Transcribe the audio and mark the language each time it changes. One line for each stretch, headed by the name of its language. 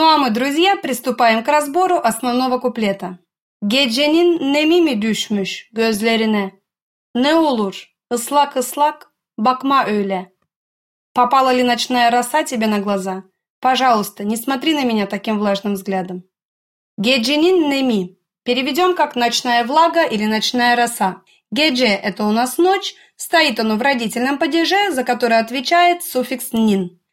Russian: Друзья, приступаем к разбору основного куплета.
Turkish: Gecenin nemimi düşmüş gözlerine. Ne olur, ıslak ıslak, bakma öyle.
Russian: Попала ли ночная роса тебе на глаза? Пожалуйста, не смотри на меня таким влажным взглядом.
Turkish: Gecenin nemi.
Russian: Переведем как ночная влага или ночная роса. Gece – это у нас ночь. Стоит оно в родительном падеже, за который отвечает суффикс «nin».